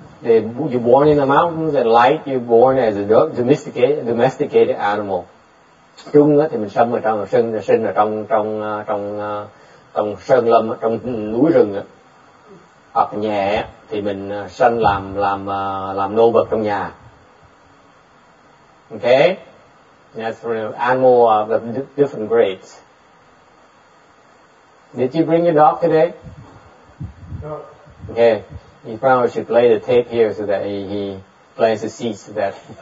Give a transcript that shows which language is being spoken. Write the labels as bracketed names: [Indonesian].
[English] You're born in the mountains, and light, you're born as a domesticated animal. [Vietnamese] Trung thì mình sinh ở trong sơn, sinh ở trong trong trong trong sơn lâm, trong núi rừng. Hoặc nhẹ thì mình sinh làm nô vật trong nhà. [English] Okay, that's for animal of the different grades. Did you bring your dog today? No. Okay. He probably should play the tape here so that he plays the seeds so that.